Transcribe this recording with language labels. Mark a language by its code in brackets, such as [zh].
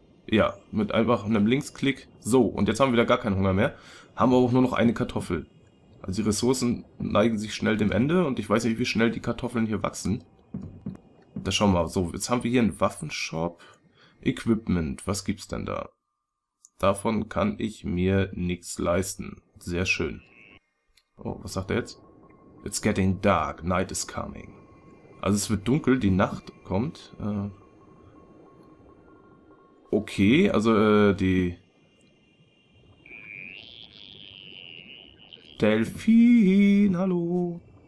[de] Ja, mit einfach einem Linksklick. So, und jetzt haben wir wieder gar keinen Hunger mehr. Haben aber auch nur noch eine Kartoffel. Also die Ressourcen neigen sich schnell dem Ende und ich weiß nicht, wie schnell die Kartoffeln hier wachsen. Da schauen wir mal. So, jetzt haben wir hier einen Waffenshop. Equipment, was gibt's denn da? Davon kann ich mir nichts leisten. Sehr schön. Oh, was sagt er jetzt? [en] It's getting dark. Night is coming. [de] Also es wird dunkel, die Nacht kommt. Okay, also die Delfin, hallo.